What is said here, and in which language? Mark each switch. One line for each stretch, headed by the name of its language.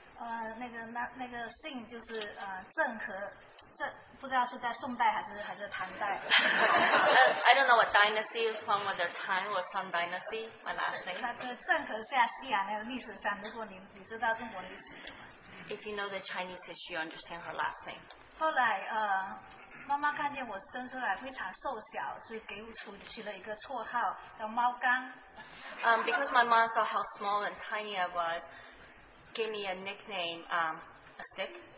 Chinese: 那个姓就是 郑和郑，不知道是在宋代还是唐代。
English: I don't know what dynasty from whether Tang or Song dynasty. My last name.
Chinese: 那是郑和下西洋那个历史上，如果你知道中国历史。
English: If you know the Chinese history, you understand her last name.
Chinese: 后来 妈妈看见我生出来非常瘦小，所以给我取了一个绰号叫猫刚。
English: Because my mom saw how small and tiny I was, gave me a nickname, a stick,